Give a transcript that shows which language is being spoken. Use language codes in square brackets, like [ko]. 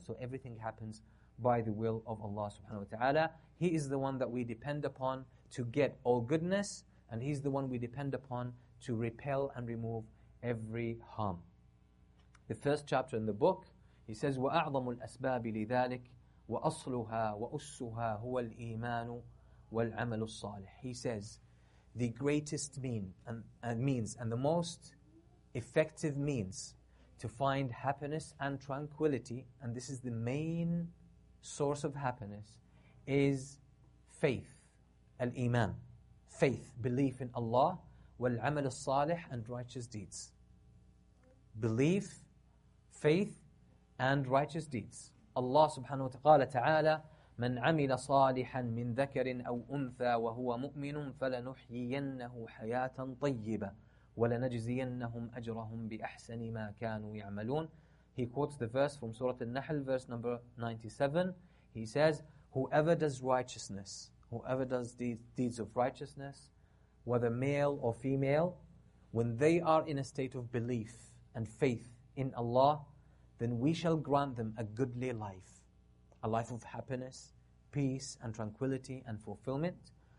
[en] So everything happens by the will of Allah subhanahu wa ta'ala. He is the one that we depend upon to get all goodness, and he's the one we depend upon to repel and remove every harm. The first chapter in the book, he says, [ar] وَأَعْظَمُ الْأَسْبَابِ لِذَٰلِكَ وأصلها وأسها هو الإيمان والعمل الصالح. [en] He says, the greatest means and the most effective means to find happiness and tranquility, and this is the main source of happiness, is faith, al-iman, faith, belief in Allah, wal-amal al-salih, and righteous deeds. Belief, faith, and righteous deeds. [ar] Allah subhanahu wa ta'ala, من عمل صالحا من ذكر أو أنثى وهو مؤمن فلنحيينه حياة طيبة ولنجزينهم أجرهم بأحسن ما كانوا يعملون. [en] He quotes the verse from Surah Al-Nahl, verse number 97. He says, whoever does righteousness, whoever does deeds of righteousness, whether male or female, when they are in a state of belief and faith in Allah, then we shall grant them a goodly life, a life of happiness, peace, and tranquility, and fulfillment.